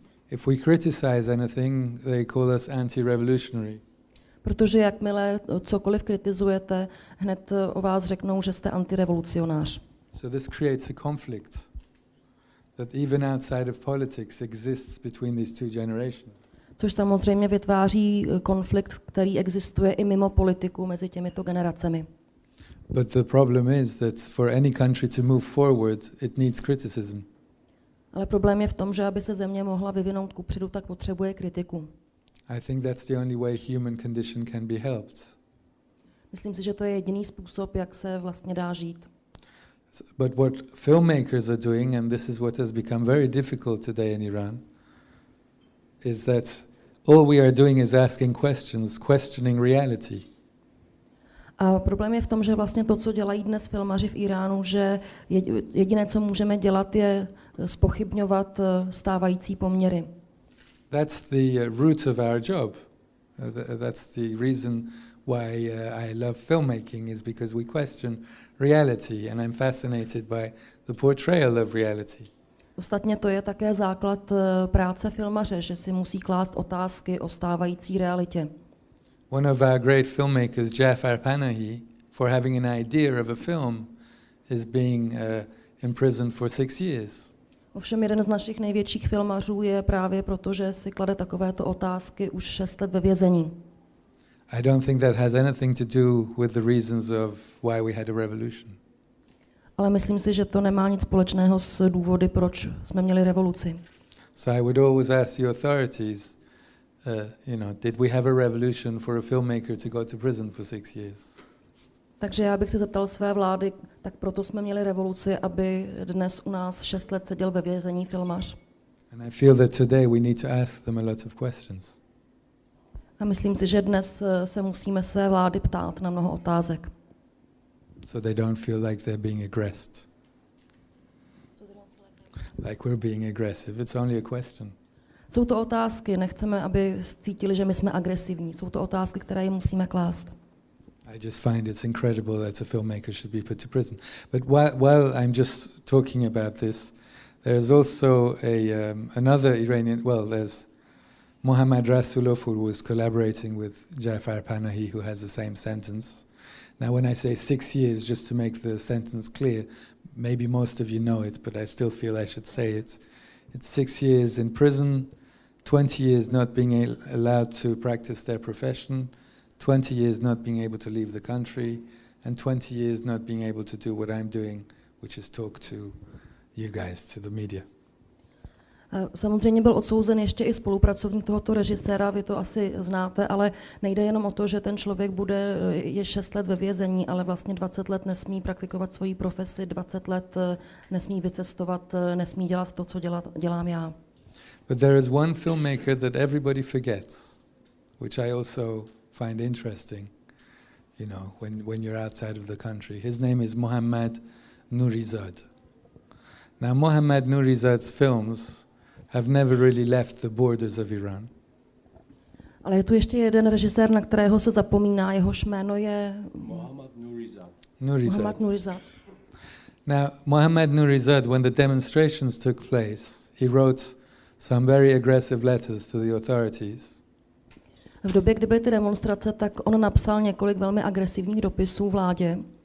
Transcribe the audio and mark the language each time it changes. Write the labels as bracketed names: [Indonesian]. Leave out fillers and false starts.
[English] If we criticize anything, they call us anti-revolutionary. [Czech] Protože jakmile cokoliv kritizujete, hned o vás řeknou, že jste antirevolucionář. [English] So this creates a conflict. That even outside of politics exists between these two generations. [Czech] Což samozřejmě vytváří konflikt, který existuje i mimo politiku mezi těmito generacemi. [English] But the problem is that for any country to move forward, it needs criticism. [Czech] Ale problém je v tom, že aby se země mohla vyvinout kupředu, tak potřebuje kritiku. [English] I think that's the only way human condition can be helped. [Czech] Myslím si, že to je jediný způsob, jak se vlastně dá žít. [English] But what filmmakers are doing, and this is what has become very difficult today in Iran, is that all we are doing is asking questions, questioning reality. [Czech] A problém je v tom, že vlastně to, co dělají dnes filmaři v Iránu, že jediné, co můžeme dělat, je zpochybňovat stávající poměry. [English] That's the root of our job. That's the reason why I love filmmaking, is because we question reality, and I'm fascinated by the portrayal of reality. [Czech] Ostatně to je také základ práce filmaře, že si musí klást otázky o stávající realitě. [English] One of our great filmmakers, Jafar Panahi, for having an idea of a film, is being imprisoned for 6 years. [Czech] Ovšem jeden z našich největších filmařů je právě proto, že si klade takovéto otázky už 6 let ve vězení. [English] I don't think that has anything to do with the reasons of why we had a revolution. [Czech] Ale myslím si, že to nemá nic společného s důvody, proč jsme měli revoluci. [English] So I would always ask the authorities, did we have a revolution for a filmmaker to go to prison for 6 years? [Czech] Takže já bych se zeptal své vlády, tak proto jsme měli revoluci, aby dnes u nás 6 let seděl ve vězení filmař. [English] And I feel that today we need to ask them a lot of questions. [Czech] A myslím si, že dnes se musíme své vlády ptát na mnoho otázek. [English] So they don't feel like they're being aggressed. Like we're being aggressive. It's only a question. [Czech] Jsou to otázky, nechceme, aby cítili, že my jsme agresivní. Jsou to otázky, které jim musíme klást. [English] I just find it's incredible that a filmmaker should be put to prison. But while I'm just talking about this, there's also another Iranian, well, there's Mohammad Rasulofur was collaborating with Jafar Panahi, who has the same sentence. Now, when I say 6 years, just to make the sentence clear, maybe most of you know it, but I still feel I should say it. It's 6 years in prison, 20 years not being allowed to practice their profession, 20 years not being able to leave the country, and 20 years not being able to do what I'm doing, which is talk to you guys, to the media. [Czech] Samozřejmě byl odsouzen ještě i spolupracovník tohoto režiséra, vy to asi znáte, ale nejde jenom o to, že ten člověk bude je 6 let ve vězení, ale vlastně 20 let nesmí praktikovat svoji profesi, 20 let nesmí vycestovat, nesmí dělat to, co dělám já. [English] But there is one filmmaker that everybody forgets, which I also find interesting, when you're outside of the country. His name is Mohammad Nourizad. Now Mohammad Nourizad's films have never really left the borders of Iran. [Czech] Ale je tu ještě jeden režisér, na kterého se zapomíná, jehož jméno je Mohammad Nourizad. [English] Now, Mohammad Nourizad, when the demonstrations took place, he wrote some very aggressive letters to the authorities. [Czech] V době, kdy byly ty demonstrace, tak on napsal několik velmi agresivních dopisů vládě.